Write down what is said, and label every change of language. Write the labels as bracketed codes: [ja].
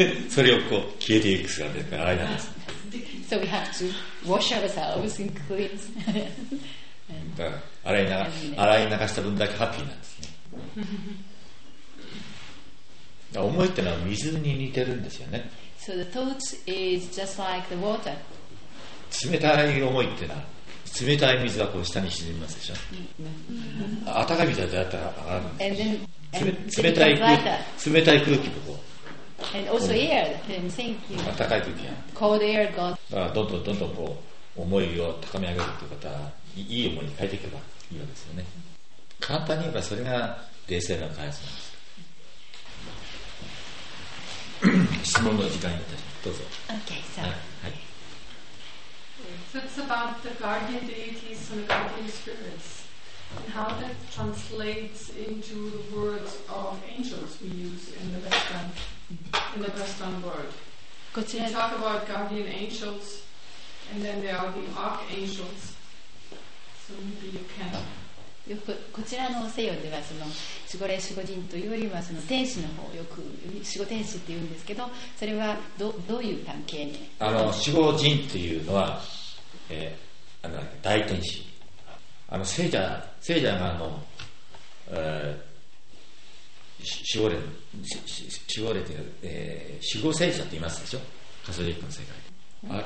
[ja] それをこう消えていくからあれなんです。 [en] So we have to wash ourselves and cleanse. [ja] だから洗い流した分だけハッピーなんですね。思いってのは水に似てるんですよね。 So the thoughts is just like the water. 冷たい思いってな、冷たい水はこう下に沈みますでしょ。温かい水だったら上がるんですよ。冷たい空気もこう。 [en] And also air, thank you. [ja] 温かい空気や。 [en] Cold air goes. [ja] だからどんどんこう思いを高め上げるっていう方は、いい思いに変えていけばいいわけですよね。簡単に言えばそれが冷静な感じなんです。質問の時間になったらどうぞ。 [en] Okay, so. [ja] はい。 [en] So it's about the guardian deities and the guardian spirits and how that translates into the words of angels we use in the Western world. We talk about guardian angels and then there are the archangels. So maybe you can. [ja] よくこちらの西洋ではその守護霊守護神というよりはその天使の方をよく守護天使って言うんですけど、それは どういう関係に、あの守護神というのは、あの大天使、あの聖者があの、守護霊というか、守護聖者と言いますでしょ、カトリックの世界で。